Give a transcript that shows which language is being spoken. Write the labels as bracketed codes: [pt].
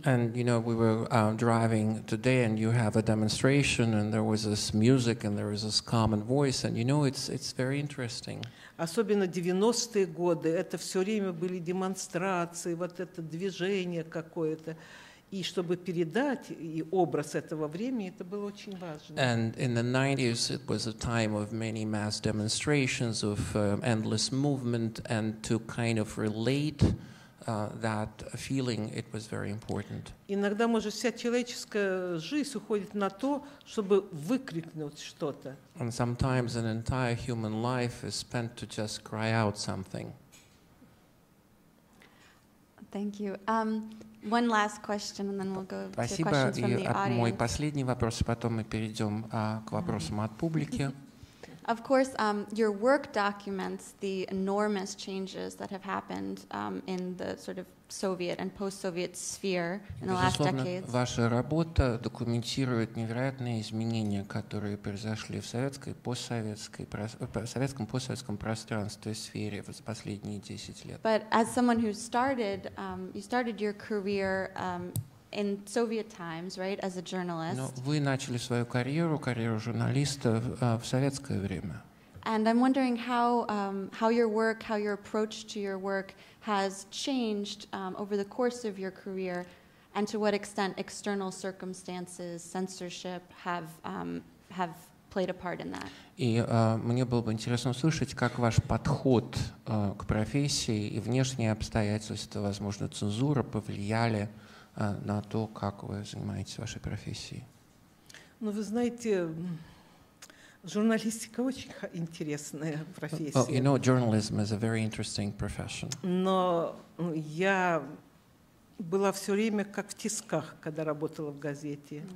[en] And, you know, we were driving today, and you have a demonstration, and there was this music, and there was this common voice, and, you know, it's very interesting. [ru] Особенно 90-е годы, это все время были демонстрации, вот это движение какое-то. И чтобы передать и образ этого времени, это было очень важно. [en] And in the 90s, it was a time of many mass demonstrations, of endless movement, and to kind of relate that feeling, it was very important. [ru] Иногда, может, вся человеческая жизнь уходит на то, чтобы выкрикнуть что-то. [en] And sometimes an entire human life is spent to just cry out something. Thank you. One last question, and then we'll go to questions from the audience. [ru] Мой последний вопрос, потом мы перейдем к вопросам от публики. [en] Of course, your work documents the enormous changes that have happened in the sort of Soviet and post-Soviet sphere in the last decades. [ru] Ваша работа документирует невероятные изменения, которые произошли в советской, постсоветском пространстве, сфере в последние 10 лет. [en] But as someone who started, you started your career in Soviet times, right, as a journalist. [ru] Но вы начали свою карьеру, карьеру журналиста в советское время. [en] And I'm wondering how your work, how your approach to your work has changed over the course of your career, and to what extent external circumstances, censorship have played a part in that. [ru] И мне было бы интересно услышать, как ваш подход к профессии и внешние обстоятельства, возможно, цензура, повлияли на то, как вы занимаетесь вашей профессией. Ну, вы знаете, журналистика очень интересная профессия. [en] Well, you know, journalism is a very interesting profession. [ru] Но я была все время как в тисках, когда работала в газете.